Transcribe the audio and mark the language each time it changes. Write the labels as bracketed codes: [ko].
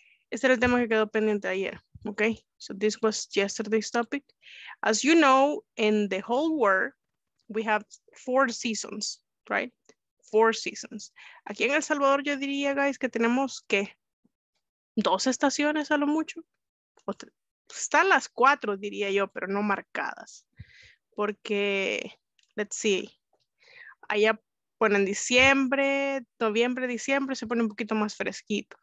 [es] Este era el tema que quedó pendiente ayer, okay? [en] So this was yesterday's topic. As you know, in the whole world, we have four seasons, right? Four seasons. [es] Aquí en El Salvador, yo diría, guys, que tenemos, ¿qué? Dos estaciones a lo mucho, o tres. Están las cuatro, diría yo, pero no marcadas. Porque, [en] let's see, [es] allá bueno, en diciembre, noviembre, diciembre, se pone un poquito más fresquito.